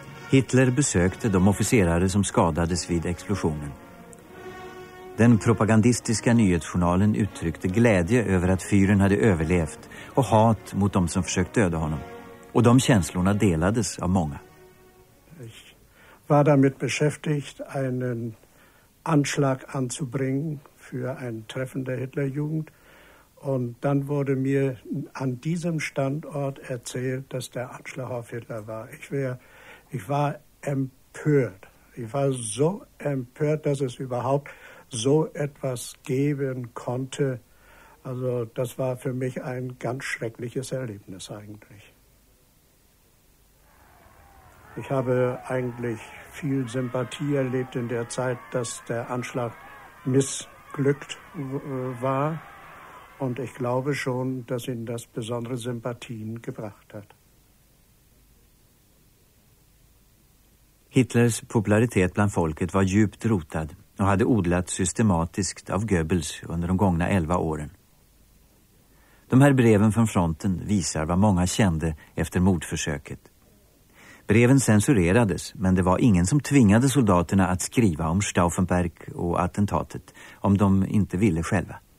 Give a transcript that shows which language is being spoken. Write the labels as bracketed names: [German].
[Swedish] Hitler besökte de officerare som skadades vid explosionen. Den propagandistiska nyhetsjournalen uttryckte glädje över att fyren hade överlevt och hat mot de som försökt döda honom. Och de känslorna delades av många. Jag var [German] damit beskäftigt, einen Anschlag anzubringen för ein Treffen der Hitlerjugend. Und dann wurde mir an diesem Standort erzählt, dass der Anschlag auf Hitler war. Ich war empört. Ich war so empört, dass es überhaupt so etwas geben konnte. Also das war für mich ein ganz schreckliches Erlebnis eigentlich. Ich habe eigentlich viel Sympathie erlebt in der Zeit, dass der Anschlag missglückt war. Und ich glaube schon, dass ihn das besondere Sympathien gebracht hat. [Swedish] Hitlers popularitet bland folket var djupt rotad och hade odlats systematiskt av Goebbels under de gångna 11 åren. De här breven från fronten visar vad många kände efter mordförsöket. Breven censurerades, men det var ingen som tvingade soldaterna att skriva om Stauffenberg och attentatet om de inte ville själva.